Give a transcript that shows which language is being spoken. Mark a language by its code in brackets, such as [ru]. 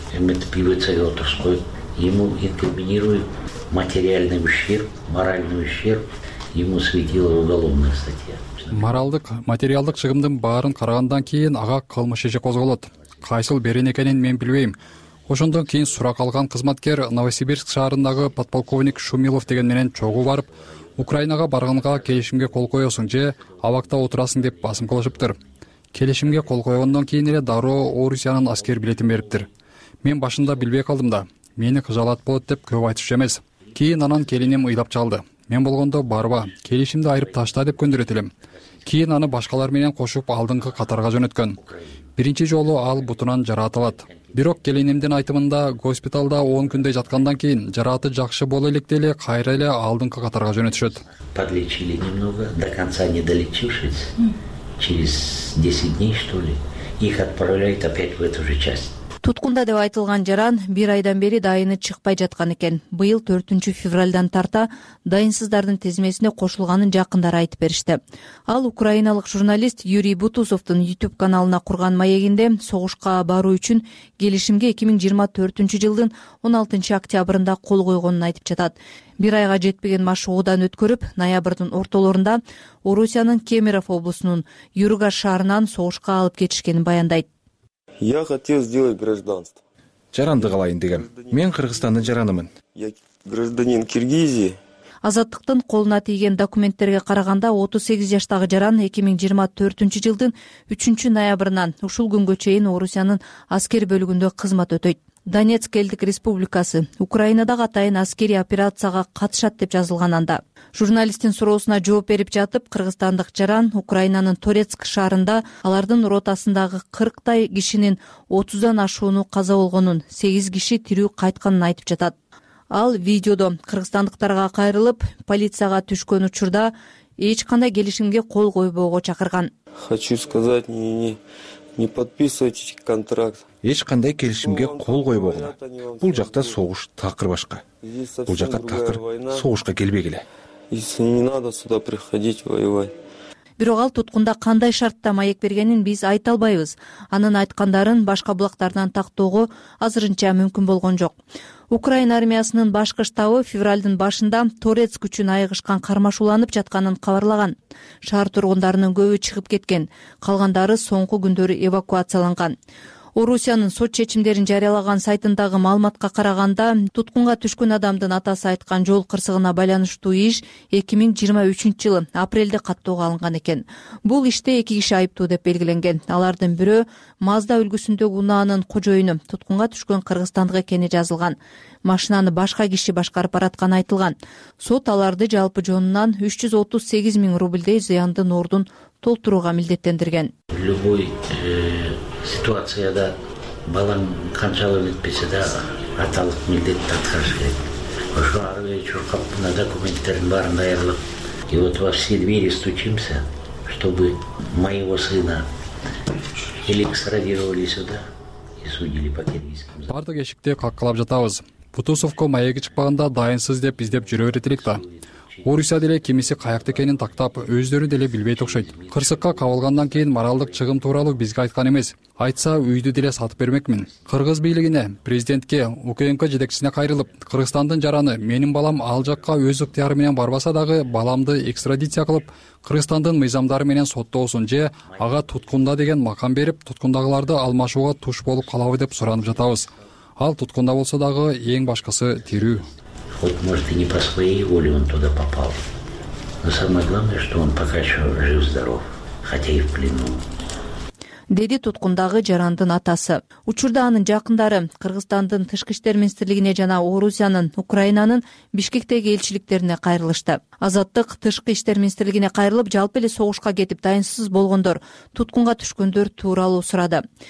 [ky] Эмнетип ИВЦ-ге отурушуп коюп, [ru] ему инкриминируют материальный ущерб, моральный ущерб, ему светила уголовная статья. [ky] Моралдык, материалдык чыгымдын баарын карагандан кийин ага кылмыш иши козголот. Кайсыл берен экенин мен билбейм. Ошондон кийин сурак алган кызматкер Новосибирск шаарындагы подполковник Шумилов деген менен чогуу барып, Украинага барганга келишимге кол коесуң же абакта отурасың деп басым кылышыптыр. Келишимге кол койгондон кийин эле дароо Орусиянын аскер билетин бериптир. Мен башында билбей калдым да, мени кыжалат болот деп көп айтышчу эмес. Кийин анан келиним ыйлап чалды. Мен болгондо барба, келишимди айырып ташта деп көндүрөт элем. Кийин аны башкалар менен кошуп алдыңкы катарга жөнөткөн. Биринчи жолу ал бутунан жараат алат. Бирок келинимдин айтымында госпиталда 10 күндөй жаткандан кийин жараты жакшы боло электе эле кайра эле алдыңкы катарга жөнөтүшөт. [ru] Подлечили немного, до конца не долечившись, через 10 дней что ли, их отправляют опять в эту же часть. [ky] Туткунда деп айтылган жаран бир айдан бери дайыны чыкпай жаткан экен. Быйыл 4 февралдан тарта дайынсыздардын тезмесине кошулганын жакындары айтып беришти. Ал украиналык журналист Юрий Бутусовтун YouTube каналына курган маегинде согушка баруу үчүн келишимге 2024 жылдын 16 октябрында кол койгонун айтып жатат. Бир айга жетпеген машыгуудан өткөрүп, ноябрдын ортолорунда Орусиянын Кемеров облусунун Юрга шаарынан согушка алып кетишкенин баяндайт. [ru] Я хотел сделать гражданство. [ky] Жаранды калайын дегем. Мен Кыргызстандын жаранымын. [ru] Я гражданин Киргизии. [ky] Азаттыктын колуна тийген документтерге караганда 38 жаштагы жаран 2024 жылдын 3 ноябрынан ушул күнгө чейин Орусиянын аскер бөлүгүндө кызмат өтөйт. Донецк элдик республикасы Украинадагы атайын аскерий операцияга катышат деп жазылган анда. Журналисттин суроосуна жооп берип жатып, кыргызстандык жаран Украинанын Торецк шаарында алардын ротасындагы 40 кишинин 30 ашууну каза болгонун, 8 киши тирүү кайтканын айтып жатат. Ал видеодо кыргызстандыктарга кайрылып, полицияга түшкөн учурда эч кандай келишимге кол койбоого чакырган. [ru] Хочу сказать, не подписывайте контракт. [ky] Эч кандай келишимге кол койбогула. Бул жакта согуш такыр башка. Бул жакта такыр согушка келбегиле. [ru] Сиз не надо сюда приходить воевать. [ky] Бирок ал туткунда кандай шартта маек бергенин биз айта албайбыз. Анын айткандарын башка булактардан тактоого азырынча мүмкүн болгон жок. Украина армиясынын башкы штабы февралдын башында Торецк үчүн айыгышкан кармашууланып жатканын кабарлаган. Шаар тургундарынын көбү чыгып кеткен, калгандары соңку күндөрү эвакуацияланган. Орусиянын сот чечимдерин жарыялаган сайтындагы маалыматка караганда, туткунга түшкөн адамдын атасы айткан жол кырсыгына байланыштуу иш 2023 жылы апрелде каттоого алынган экен. Бул иште 2 киши айыптуу деп белгиленген. Алардын бирөө Mazda үлгүсүндөгү унаанын кожоюну, туткунга түшкөн кыргызстандык экени жазылган. Машинаны башка киши башкарып бараткан айтылган. Сот аларды жалпы жонунан 338 000 рубльдей зыяндын ордун толтурууга милдеттендирген. Любой ситуацияда балаң канчалык өтпөсө да аталык милдетти аткарыш керек. Ошо ар бир чуркап мына документтердин баарын даярлап, [ru] и вот во все двери стучимся, чтобы моего сына или экстрадировали сюда и судили по киргизскому [ky] закону. Парта кешикте каккылап жатабыз. Путусовко маеги чыкпаганда дайынсыз деп издеп жүрө берет элек да. Орусия деле кемиси каякта экенин тактап, өздөрү деле билбейт окшойт. Кырсыкка кабылгандан кийин моралдык чыгым тууралуу бизге айткан эмес. Айтса, үйдү деле сатып бермекмин. Кыргыз бийлигине, президентке, УКМК жетекчисине кайрылып, Кыргызстандын жараны, менин балам ал жакка өз ыктыяры менен барбаса дагы, баламды экстрадиция кылып, Кыргызстандын мыйзамдары менен соттоосун же ага туткунда деген макам берип, туткундагыларды алмашууга туш болуп калабы деп суранып жатабыз. Ал туткунда болсо дагы эң башкысы тирүү. [ru] Вот, может, и не по своей воле он туда попал. Но самое главное, что он пока еще жив-здоров, хотя и в плену. [ky] Деди туткундагы жарандын атасы. Учурда анын жакындары Кыргызстандын тышкы иштер министрлигине жана Орусиянын Украинанын Бишкектеги элчиликтерине кайрылышты. Азаттык тышкы иштер министрлигине кайрылып, жалпы эле согушка кетип дайынсыз болгондор, туткунга түшкөндөр тууралуу сурады.